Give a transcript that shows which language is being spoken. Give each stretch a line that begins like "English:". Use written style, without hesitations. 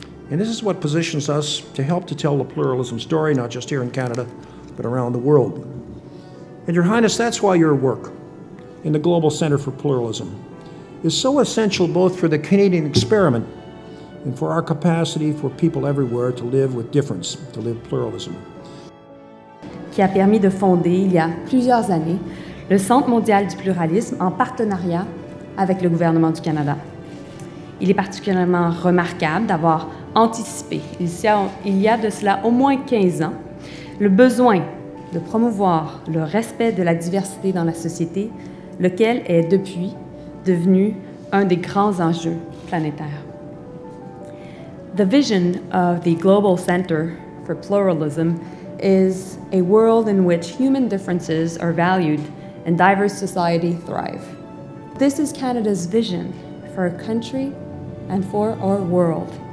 English: And this is what positions us to help to tell the pluralism story, not just here in Canada, but around the world. And Your Highness, that's why your work in the Global Center for Pluralism is so essential, both for the Canadian experiment and for our capacity for people everywhere to live with difference, to live pluralism.
French: qui a permis de fonder, il y a plusieurs années, le Centre mondial du pluralisme en partenariat avec le gouvernement du Canada. Il est particulièrement remarquable d'avoir anticipé, il y a de cela au moins 15 ans, le besoin de promouvoir le respect de la diversité dans la société, lequel est depuis devenu un des grands enjeux planétaires.
English: The vision of the Global Center for Pluralism is a world in which human differences are valued and diverse society thrive. This is Canada's vision for our country and for our world.